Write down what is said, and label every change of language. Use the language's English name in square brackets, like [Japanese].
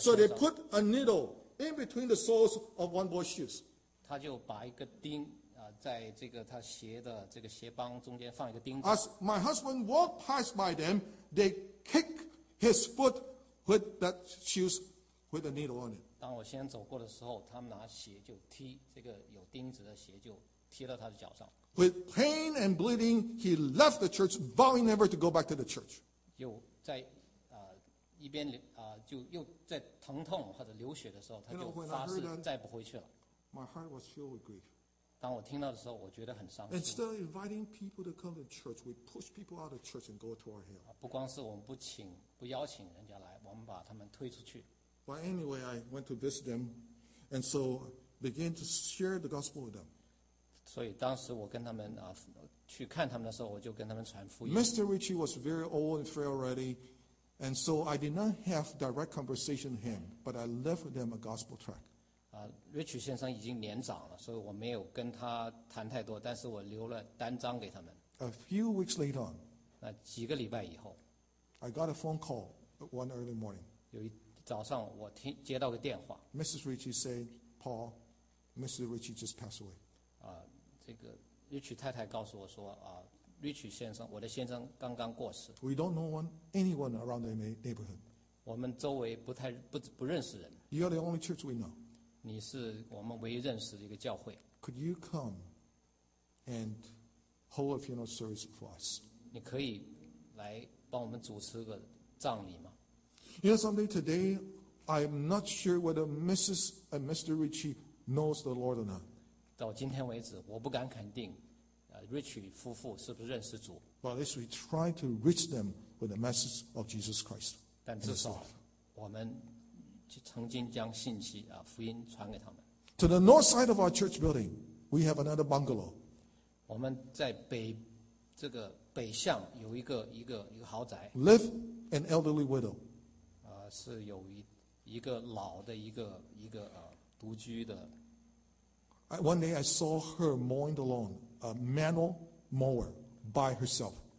[English] So they put a needle in between the soles of one boy's shoes. [Chinese] 他就把一个钉在这个他鞋的这个鞋帮中间放一个钉子。 [English] As my husband walked past by them, they kick his foot with that shoes with a needle on it. [Chinese] 当我先走过的时候，他们拿鞋就踢这个有钉子的鞋就。踢到他的脚上。 [English] With pain and bleeding, he left the church, vowing never to go back to the church. [Chinese] 又在一边就又在疼痛或者流血的时候，他就发誓再不回去了。 [English] My heart was filled with grief. [Chinese] 当我听到的时候，我觉得很伤心。 [English] Instead of inviting people to come to church, we push people out of church and go to our hill. [Chinese] 不光是我们不邀请人家来，我们把他们推出去。 [English] But anyway, I went to visit them, and so began to share the gospel with them. [Chinese] 所以当时我跟他们去看他们的时候，我就跟他们传福音。 [English] Mr. Ritchie was very old and frail already, and so I did not have direct conversation with him, but I left with them a gospel tract. [Chinese] Ritchie 先生已经年长了，所以我没有跟他谈太多，但是我留了单张给他们。 [English] A few weeks later on, [Chinese] 那几个礼拜以后 [English] ，I got a phone call one early morning. [Chinese] 有一早上我接到个电话。 [English] Mrs. Ritchie said, "Paul, Mr. Ritchie just passed away." [Chinese] 这个 Rich 太太告诉我说Rich 先生，我的先生刚刚过世。 [English] We don't know anyone around the neighborhood. [Chinese] 我们周围不认识人。 [English] You are the only church we know. [Chinese] 你是我们唯一认识的一个教会。 [English] Could you come and hold a funeral service for us? [Chinese] 你可以来帮我们主持个葬礼吗 [English] ？You know something today, I'm not sure whether Mrs. and Mr. Richie knows the Lord or not. [Chinese] 到今天为止，我不敢肯定，Rich 夫妇是不是认识主。 [English] But if we try to reach them with the message of Jesus Christ, [Chinese] 但至少我们曾经将信息福音传给他们。 [English] To the north side of our church building, we have another bungalow. [Chinese] 我们在北向有一个豪宅。 [English] Live an elderly widow. [Chinese] 是有一个老的一个独居的。 [English] One day I saw her mowing the lawn, a manual mower, by herself.